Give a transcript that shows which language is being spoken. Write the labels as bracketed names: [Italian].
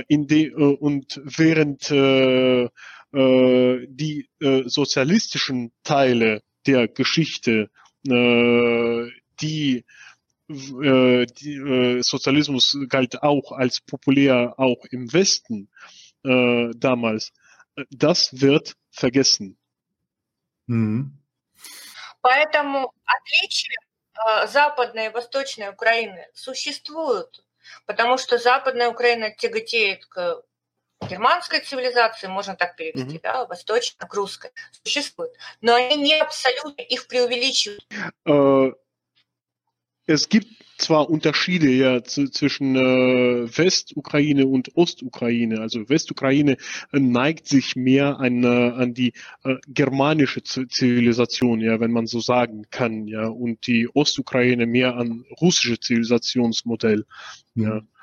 [German] Und während die sozialistischen Teile der Geschichte, Sozialismus galt auch als populär, auch im Westen damals, das wird vergessen. [Russian] Поэтому отличия западной и восточной Украины существуют, потому что западная Украина тяготеет к германской цивилизации, можно так перевести, mm-hmm. да, восточная к русской, существует. Но они не абсолютно их преувеличивают. [German] Es gibt zwar Unterschiede ja zwischen Westukraine und Ostukraine. Also Westukraine neigt sich mehr an die germanische Zivilisation, ja, wenn man so sagen kann, ja, und die Ostukraine mehr an russische Zivilisationsmodell. Mhm. Ja.